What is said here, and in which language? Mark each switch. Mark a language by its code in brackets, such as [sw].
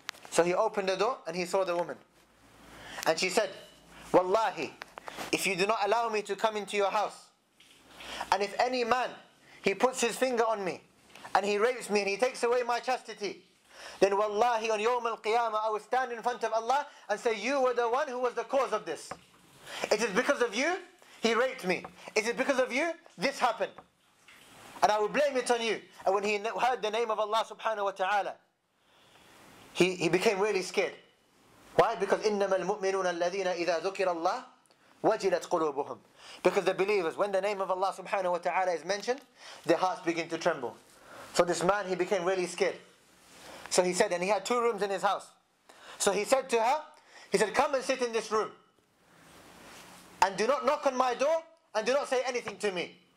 [en] So he opened the door and he saw the woman. And she said, Wallahi, if you do not allow me to come into your house, and if any man, he puts his finger on me, and he rapes me, and he takes away my chastity, then Wallahi, on Yawm al-Qiyamah, I will stand in front of Allah and say, you were the one who was the cause of this. It is because of you, he raped me. It is because of you, this happened. And I will blame it on you. And when he heard the name of Allah subhanahu wa ta'ala, he became really scared. Why? Because [ar] إِنَّمَا الْمُؤْمِنُونَ الَّذِينَ إِذَا ذُكِرَ اللَّهِ وَجِلَتْ قُلُوبُهُمْ. [en] Because the believers, when the name of Allah subhanahu wa ta'ala is mentioned, their hearts begin to tremble. So this man, he became really scared. So he said, and he had two rooms in his house. So he said to her, he said, come and sit in this room. And do not knock on my door, and do not say anything to me.